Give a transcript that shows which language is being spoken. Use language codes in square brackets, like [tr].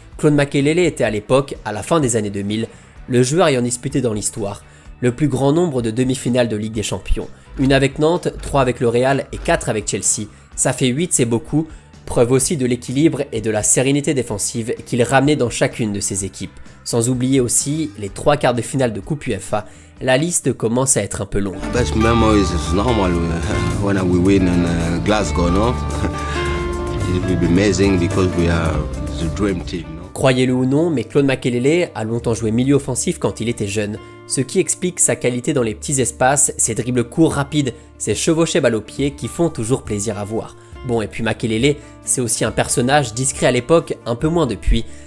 [fr] Claude Makélélé était à l'époque, à la fin des années 2000, le joueur ayant disputé dans l'histoire le plus grand nombre de demi-finales de Ligue des Champions. Une avec Nantes, 3 avec le Real et 4 avec Chelsea. Ça fait 8, c'est beaucoup. Preuve aussi de l'équilibre et de la sérénité défensive qu'il ramenait dans chacune de ses équipes. Sans oublier aussi les 3 quarts de finale de Coupe UEFA. La liste commence à être un peu longue. [en] Best memories is normal when we win in Glasgow, no? It will be amazing because we are the dream team. [fr] Croyez-le ou non, mais Claude Makélélé a longtemps joué milieu offensif quand il était jeune, ce qui explique sa qualité dans les petits espaces, ses dribbles courts rapides, ses chevauchés balles au pied qui font toujours plaisir à voir. Bon, et puis Makélélé, c'est aussi un personnage discret à l'époque, un peu moins depuis.